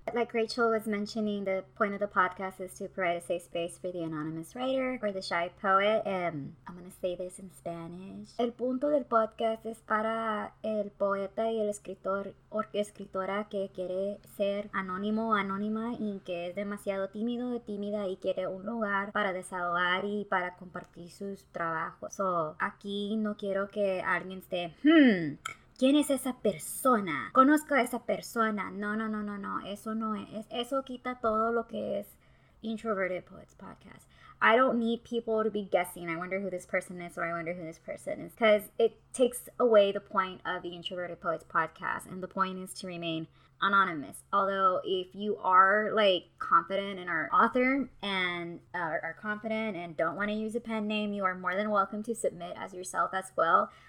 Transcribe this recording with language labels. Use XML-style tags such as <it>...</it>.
<en>Like Rachel was mentioning, the point of the podcast is to provide a safe space for the anonymous writer or the shy poet. I'm going to say this in Spanish.</en> <es>El punto del podcast es para el poeta y el escritor o escritora que quiere ser anónimo o anónima y que es demasiado tímido o tímida y quiere un lugar para desahogar y para compartir sus trabajos. So aquí no quiero que alguien esté, ¿quién es esa persona? Conozco a esa persona. No. Eso no es. Eso quita todo lo que es Introverted Poets Podcast.</es> <en>I don't need people to be guessing. I wonder who this person is, or I wonder who this person is. Because it takes away the point of the Introverted Poets Podcast. And the point is to remain anonymous. Although, if you are, like, confident in our author and are confident and don't want to use a pen name, you are more than welcome to submit as yourself as well.</en>